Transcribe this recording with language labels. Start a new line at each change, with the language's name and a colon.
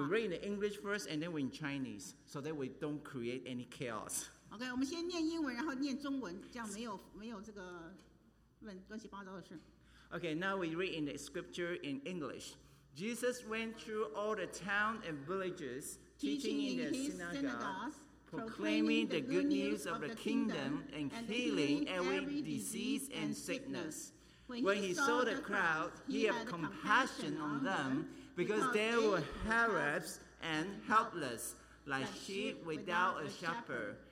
English: We read in the English first, and then we in Chinese, so that we don't create any chaos.
Chinese: Okay, 我们先念英文，然后念中文，这样没有这个乱七八糟的事。
English: Okay, now we read in the scripture in English. Jesus went through all the town and villages, teaching in the synagogues, proclaiming the good news of the kingdom and healing every disease and sickness. When he saw the crowd, he had compassion on them because they were harassed and helpless, like sheep without a shepherd.